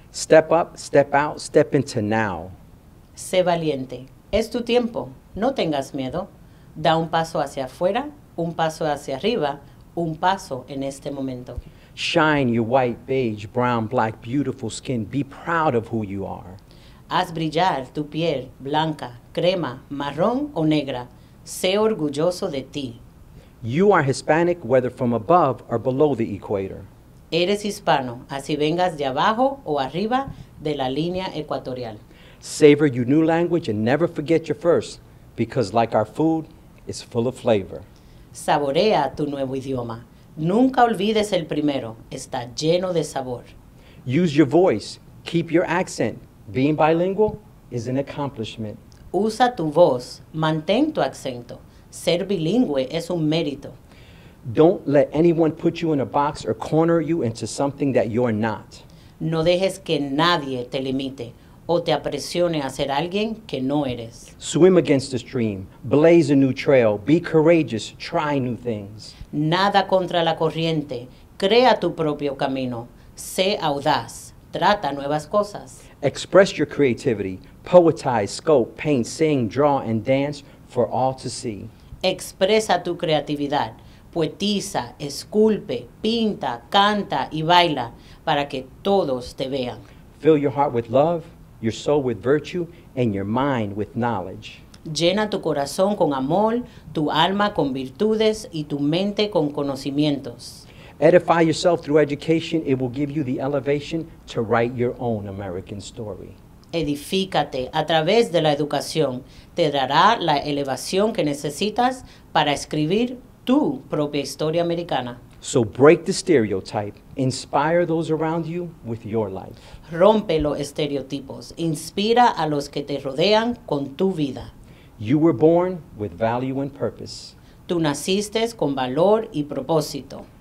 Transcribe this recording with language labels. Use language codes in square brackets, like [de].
[en] Step up, step out, step into now. [es] Sé valiente. Es tu tiempo. No tengas miedo. Da un paso hacia afuera, un paso hacia arriba, un paso en este momento. [en] Shine your white, beige, brown, black, beautiful skin. Be proud of who you are. [es] Haz brillar tu piel blanca, crema, marrón o negra. Sé orgulloso de ti. [en] You are Hispanic, whether from above or below the equator. [es] Eres hispano, así vengas de abajo o arriba de la línea ecuatorial. [en] Savor your new language and never forget your first, because like our food, it's full of flavor. [es] Saborea tu nuevo idioma. Nunca olvides el primero. Está lleno de sabor. [en] Use your voice. Keep your accent. Being bilingual is an accomplishment. [es] Usa tu voz. Mantén tu acento. Ser bilingüe es un mérito. [en] Don't let anyone put you in a box or corner you into something that you're not. [es] No dejes que nadie te limite o te apresione a ser alguien que no eres. [en] Swim against the stream. Blaze a new trail. Be courageous. Try new things. [es] Nada contra la corriente. Crea tu propio camino. Sé audaz. Trata nuevas cosas. [en] Express your creativity. Poetize, sculpt, paint, sing, draw, and dance for all to see. [es] Expresa tu creatividad. Poetiza, esculpe, pinta, canta, y baila para que todos te vean. [en] Fill your heart with love, your soul with virtue, and your mind with knowledge. [es] Llena tu corazón con amor, tu alma con virtudes, y tu mente con conocimientos. [en] Edify yourself through education. It will give you the elevation to write your own American story. [es] Edifícate a través de la educación. Te dará la elevación que necesitas para escribir tu propia historia americana. [en] So break the stereotype. Inspire those around you with your life. [es] Rompe los estereotipos. Inspira a los que te rodean con tu vida. [en] You were born with value and purpose. [es] Tú naciste con valor y propósito.